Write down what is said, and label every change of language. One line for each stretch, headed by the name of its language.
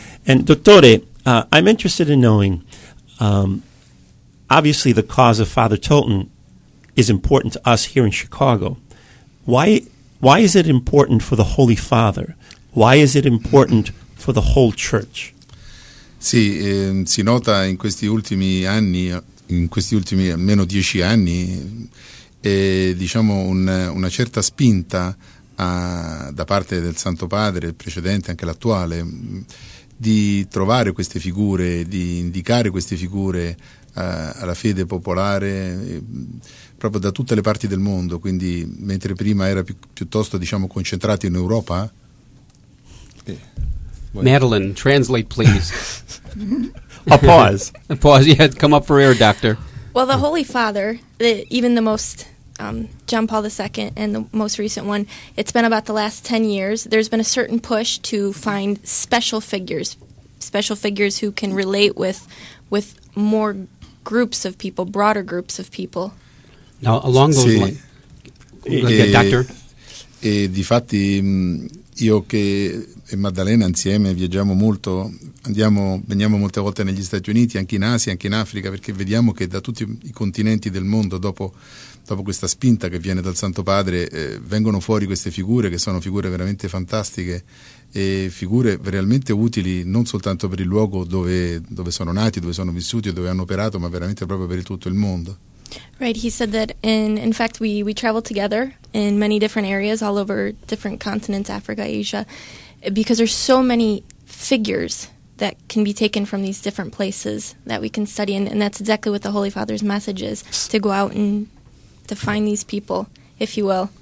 English: And, Dottore, I'm interested in knowing, obviously, the cause of Father Tolton is important to us here in Chicago. Why is it important for the Holy Father? Why is it important for the whole church?
Italian: Sì, si nota in questi ultimi anni, in questi ultimi almeno 10 anni, diciamo una certa spinta da parte del Santo Padre, il precedente, anche l'attuale, di trovare queste figure, di indicare queste figure alla fede popolare proprio da tutte le parti del mondo. Quindi, mentre prima era piuttosto, diciamo, concentrato in Europa.
English: Madeline, translate please. A pause. A pause, yeah, come up for air, doctor. Well, the Holy Father, even the most John Paul II and the most recent one, it's been about the last 10 years. There's been a certain push to find special figures who can relate with more groups of people, broader groups of people. Now, along those lines, doctor.
Italian: E difatti io che e Maddalena insieme viaggiamo molto, veniamo molte volte negli Stati Uniti, anche in Asia, anche in Africa, perché vediamo che da tutti i continenti del mondo, dopo questa spinta che viene dal Santo Padre, vengono fuori queste figure, che sono figure veramente fantastiche e figure realmente utili non soltanto per il luogo dove sono nati, dove sono vissuti, dove hanno operato, ma veramente proprio per tutto il mondo.
English: Right, he said that in fact we travel together in many different areas all over different continents, Africa, Asia, because there's so many figures that can be taken from these different places that we can study, and that's exactly what the Holy Father's message is, to go out and to find these people, if you will.